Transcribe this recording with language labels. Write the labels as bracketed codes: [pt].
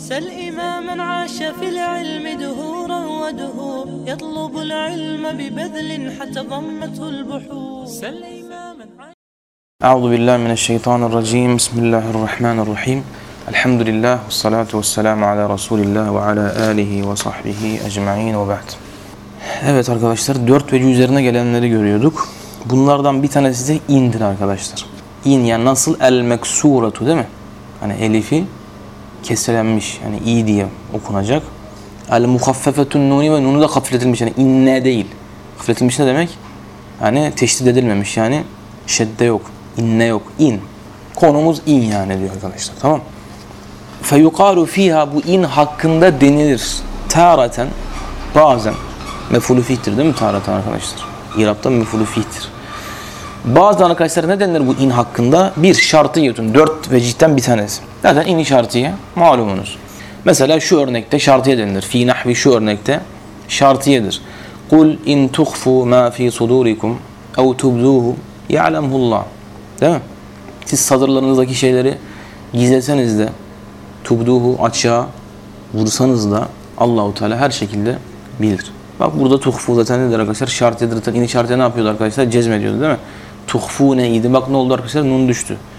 [ar] سل إماما عاش في العلم دهورا ودهور يطلب العلم ببذل حتى ضمته البحور. سل أعوذ بالله من الشيطان الرجيم. بسم الله الرحمن الرحيم. الحمد لله والصلاة والسلام على رسول الله وعلى آله وصحبه أجمعين وبعد. [tr] Evet arkadaşlar, dört vece üzerine gelenleri görüyorduk. Bunlardan bir tanesi de indir arkadaşlar. İn yani nasıl el-meksuratu değil mi? Hani elifi kesilenmiş yani i diye okunacak. El-muhaffefetun nuni ve nunu da hafifletilmiş yani inne değil. Hafifletilmiş ne demek? Hani teşdid edilmemiş yani şedde yok. İnne yok, in. Konumuz in yani diyor arkadaşlar, tamam. [ar] فَيُقَارُ فِيهَا [tr] Bu in hakkında denilir. Târaten, bazen. Mefulü fihtir değil mi târaten arkadaşlar? İrab'dan mefulü fihtir. Bazen arkadaşlar ne denilir bu in hakkında? Bir, şartiyetun. Dört vecihten bir tanesi. Zaten in-i şartiye, malumunuz. Mesela şu örnekte şartiye denilir. [ar] فِي نَحْوِ [tr] Şu örnekte şartiyedir. [ar] قُلْ اِنْ تُخْفُوا مَا فِي صُدُورِكُمْ اَوْ تُبْذُوهُ يَعْلَمْهُ اللّٰهُ [tr] Değil mi? Siz sadırlarınızdaki şeyleri gizleseniz de tubduhu açığa vursanız da Allahu Teala her şekilde bilir. Bak burada tuhfu zaten nedir arkadaşlar? Şartıdır. İni şartıya ne yapıyordu arkadaşlar? Cezmediyordu değil mi? Tuhfu neydi? Bak ne oldu arkadaşlar? Nun düştü.